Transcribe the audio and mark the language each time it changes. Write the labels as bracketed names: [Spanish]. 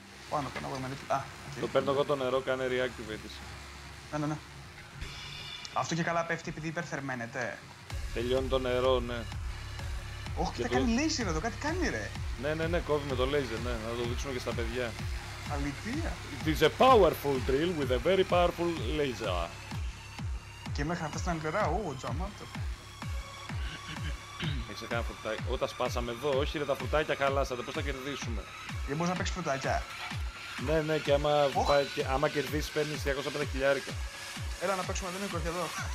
[Greek] Πάνω, πάνω, πάνω, πάνω, α, το παίρνω εγώ το νερό, κάνε reactivate. Ναι, ναι, ναι. Αυτό και καλά πέφτει επειδή υπερθερμαίνεται. Τελειώνει το νερό, ναι. Όχι, και τα κάνει laser εδώ, κάτι κάνει ρε. Ναι, ναι, ναι, κόβει με το laser, ναι, να το δείξουμε και στα παιδιά. Αλήθεια! [English] It is a powerful drill with a very powerful laser. [Greek] Και μέχρι να φτάσει στην αγκαρά, ο Τζαμάτο. Έχει κανένα φρουτάκι. Όταν σπάσαμε εδώ, όχι ρε τα φρουτάκια χαλάσατε, πώς θα κερδίσουμε. Δεν μπορείς να παίξεις φρουτάκια. Ναι, ναι, και άμα, άμα κερδίσεις παίρνεις 250 χιλιάρικα. Έλα να παίξουμε, δεν είναι κορφιά εδώ.